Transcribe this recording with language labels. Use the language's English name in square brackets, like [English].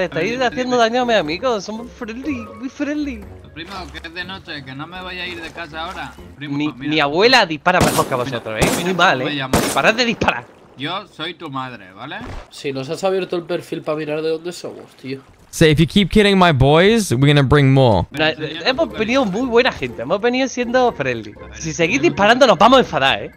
[Spanish] Estáis haciendo daño a mis amigos, somos friendly, muy friendly. Primo, que es de noche, que no me voy a ir de casa ahora. Primo, mi abuela dispara mejor que vosotros, ¿eh? Muy mal, ¿eh? Parad de disparar. Yo soy tu madre, ¿vale? Si nos has abierto el perfil para mirar de dónde somos, tío. [English] Say, if you keep kidding my boys, we're gonna bring more. [Spanish] Hemos venido muy buena gente, hemos venido siendo friendly. Si seguís disparando, nos vamos a enfadar, ¿eh?